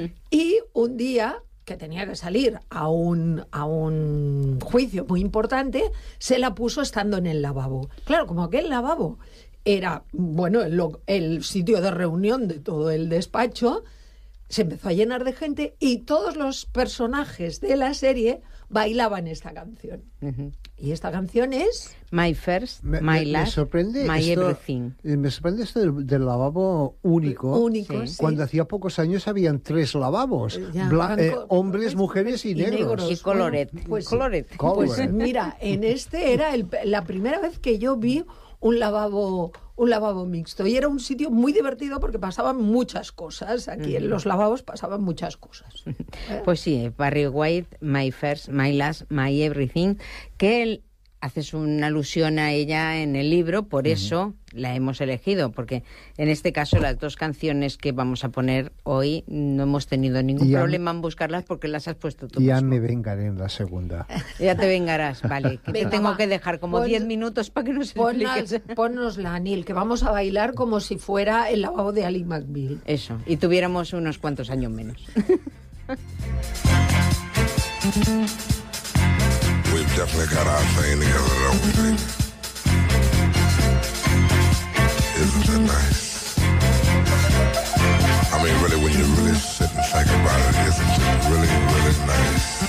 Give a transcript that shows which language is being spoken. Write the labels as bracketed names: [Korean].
[Spanish] Y un día, que tenía que salir a un juicio muy importante, se la puso estando en el lavabo. Claro, como aquel lavabo era, bueno, el sitio de reunión de todo el despacho, se empezó a llenar de gente y todos los personajes de la serie bailaban esta canción. Uh-huh. Y esta canción es... [English] My First, My Last, My Everything. [Spanish] Me sorprende esto del lavabo único. Único, sí. Cuando sí. Hacía pocos años habían tres lavabos. Hombres, mujeres y negros. Y negros. Y coloret. Pues mira, en este era la primera vez que yo vi un lavabo mixto. Y era un sitio muy divertido porque pasaban muchas cosas. Aquí en los lavabos pasaban muchas cosas. Pues sí, Barry White, My First, My Last, My Everything. Que él, haces una alusión a ella en el libro, por eso la hemos elegido. Porque en este caso las dos canciones que vamos a poner hoy no hemos tenido ningún problema en buscarlas porque las has puesto tú. Ya me vengaré en la segunda. Ya te vengarás, vale. Que te tengo que dejar como 10 minutos para que nos expliques. Ponnosla, Anil, que vamos a bailar como si fuera el lavabo de Ally McBeal. Eso, y tuviéramos unos cuantos años menos. [English] We've definitely got our thing together, don't we think? Isn't that nice? I mean, really, when you really sit and think about it, isn't it really, really nice?